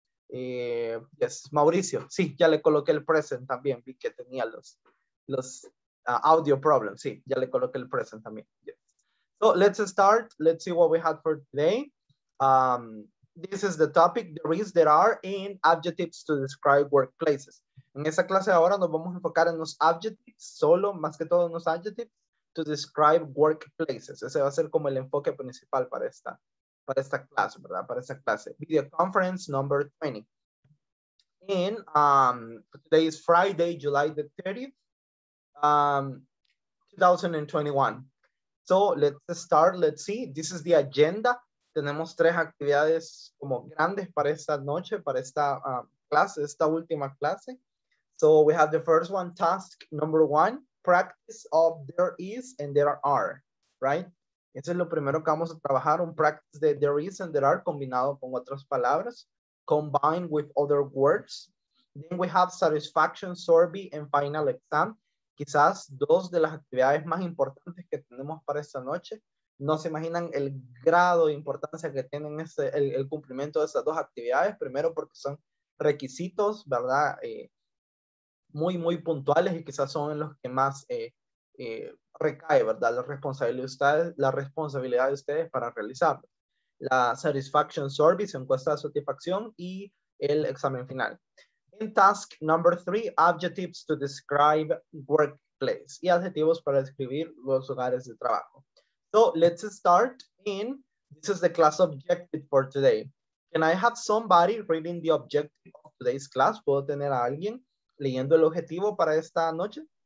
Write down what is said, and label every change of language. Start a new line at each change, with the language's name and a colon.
Spanish: Yes, Mauricio. Sí, ya le coloqué el present también. Vi que tenía los audio problems. Sí, ya le coloqué el present también.
English: Yes. So let's start. Let's see what we have for today. This is the topic, the reasons that are in adjectives to describe workplaces.
Spanish: En esa clase ahora nos vamos a enfocar en los adjectives, solo más que todo en los adjectives,
English: to describe workplaces.
Spanish: Ese va a ser como el enfoque principal para esta, clase, ¿verdad? Para esta clase.
English: Video conference number 20. In today is Friday, July the 30th, 2021. So let's start, let's see. This is the agenda.
Spanish: Tenemos tres actividades como grandes para esta noche, para esta clase, esta última clase.
English: So we have the first one, task number one, practice of there is and there are, right?
Spanish: Eso es lo primero que vamos a trabajar, un practice de there is and there are combinado con otras palabras,
English: combined with other words. Then we have satisfaction survey and final exam.
Spanish: Quizás dos de las actividades más importantes que tenemos para esta noche. No se imaginan el grado de importancia que tienen este, el cumplimiento de esas dos actividades. Primero porque son requisitos, ¿verdad? Muy, muy puntuales y quizás son los que más recae, ¿verdad? La responsabilidad de ustedes para realizar la satisfaction service, encuesta de satisfacción y el examen final.
English: In task number three, adjectives to describe workplace
Spanish: y adjetivos para describir los hogares de trabajo.
English: So let's start in, this is the class objective for today. Can I have somebody reading the objective of today's class?
Spanish: ¿Puedo tener a alguien leyendo el objetivo para esta noche?